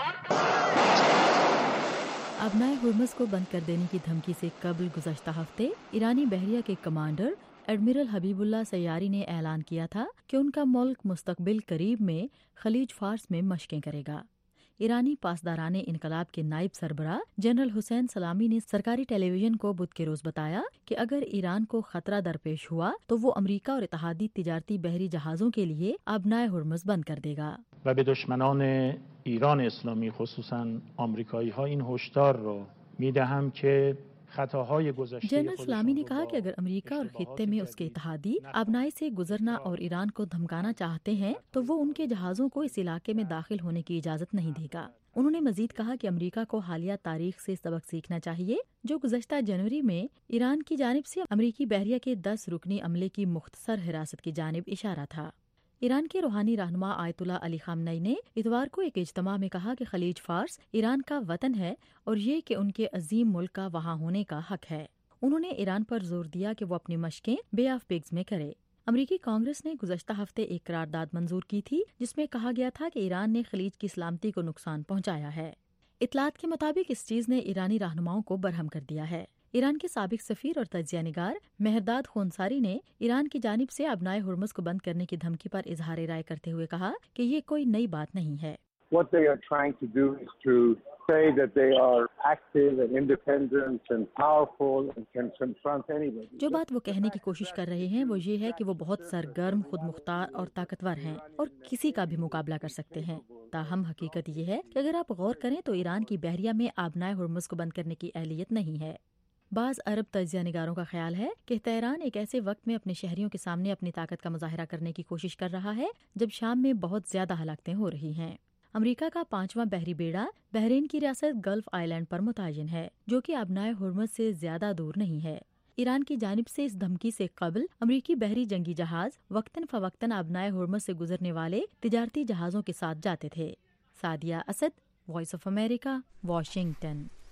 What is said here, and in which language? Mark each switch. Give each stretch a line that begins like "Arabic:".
Urdu: ابنائے Hormuz کو بند کر دینے کی دھمکی سے قبل گزشتہ ہفتے ایرانی بحریہ کے کمانڈر ایڈمیرل حبیب اللہ سیاری نے اعلان کیا تھا کہ ان کا ملک مستقبل قریب میں خلیج فارس میں مشقیں کرے گا۔ ایرانی پاسداران انقلاب کے نائب سربراہ جنرل حسین سلامی نے سرکاری ٹیلی ویژن کو بدھ کے روز بتایا کہ اگر ایران کو خطرہ درپیش ہوا تو وہ امریکہ اور اتحادی تجارتی بحری جہازوں کے لیے ابنائے ہرمز بند کر دے گا۔
Persian: و به دشمنان ایران اسلامی خصوصاً آمریکایی ها این هشدار رو می دهم که
Urdu: جنرل سلامی نے کہا کہ اگر امریکہ اور خطے میں اس کے اتحادی ابنائے سے گزرنا اور ایران کو دھمکانا چاہتے ہیں تو وہ ان کے جہازوں کو اس علاقے میں داخل ہونے کی اجازت نہیں دے گا۔ انہوں نے مزید کہا کہ امریکہ کو حالیہ تاریخ سے سبق سیکھنا چاہیے جو گزشتہ جنوری میں ایران کی جانب سے امریکی بحریہ کے 10 رکنی عملے کی مختصر حراست کی جانب اشارہ تھا۔ ایران کے روحانی رہنما آیت اللہ علی خامنئی نے اتوار کو ایک اجتماع میں کہا کہ خلیج فارس ایران کا وطن ہے اور یہ کہ ان کے عظیم ملک کا وہاں ہونے کا حق ہے۔ انہوں نے ایران پر زور دیا کہ وہ اپنی مشقیں بے آف پگز میں کرے۔ امریکی کانگریس نے گزشتہ ہفتے ایک قرارداد منظور کی تھی جس میں کہا گیا تھا کہ ایران نے خلیج کی سلامتی کو نقصان پہنچایا ہے۔ اطلاعات کے مطابق اس چیز نے ایرانی رہنماؤں کو برہم کر دیا ہے۔ ایران کے سابق سفیر اور تجزیہ نگار مہرداد خونساری نے ایران کی جانب سے ابنائے ہرمز کو بند کرنے کی دھمکی پر اظہار رائے کرتے ہوئے کہا کہ یہ کوئی نئی بات نہیں ہے۔
English: What they are trying to do is to say that they are active and independent and powerful and can confront anybody.
Urdu: جو بات وہ کہنے کی کوشش کر رہے ہیں وہ یہ ہے کہ وہ بہت سرگرم، خود مختار اور طاقتور ہیں اور کسی کا بھی مقابلہ کر سکتے ہیں۔ تاہم حقیقت یہ ہے کہ اگر آپ غور کریں تو ایران کی بحریہ میں ابنائے ہرمز کو بند کرنے کی اہلیت نہیں ہے۔ بعض عرب تجزیہ نگاروں کا خیال ہے کہ تہران ایک ایسے وقت میں اپنے شہریوں کے سامنے اپنی طاقت کا مظاہرہ کرنے کی کوشش کر رہا ہے جب شام میں بہت زیادہ ہلاکتیں ہو رہی ہیں۔ امریکہ کا پانچواں بحری بیڑا بحرین کی ریاست گلف آئی لینڈ پر متعین ہے جو کہ ابنائے ہرمز سے زیادہ دور نہیں ہے۔ ایران کی جانب سے اس دھمکی سے قبل امریکی بحری جنگی جہاز وقتاً فوقتاً ابنائے ہرمز سے گزرنے والے تجارتی جہازوں کے ساتھ جاتے تھے۔ Sadia Asad, voice of America, Washington.